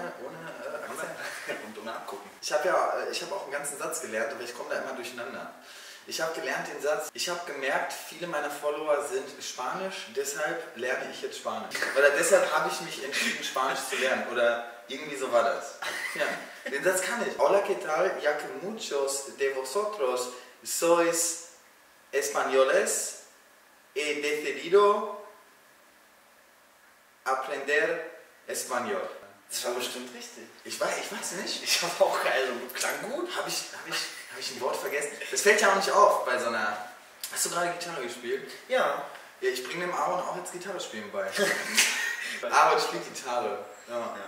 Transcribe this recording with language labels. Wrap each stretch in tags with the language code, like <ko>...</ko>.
<de>Akzent. Und ohne Abgucken. Ich habe auch einen ganzen Satz gelernt, aber ich komme da immer durcheinander. Ich habe gelernt den Satz, ich habe gemerkt, viele meiner Follower sind Spanisch, deshalb lerne ich jetzt Spanisch. Oder deshalb habe ich mich entschieden, Spanisch zu lernen. Oder irgendwie so war das. Ja. Den Satz kann ich.</de> <es>Hola, ¿qué tal? Ya que muchos de vosotros sois españoles, he decidido aprender español.</es> <de>Das war bestimmt richtig. Ich weiß nicht. Ich habe auch also klang gut. Hab ich ein Wort vergessen? Das fällt ja auch nicht auf bei so einer. Hast du gerade Gitarre gespielt? Ja. Ja, ich bringe dem Aaron auch jetzt Gitarre spielen bei. Aaron spielt Gitarre. Ja.</de>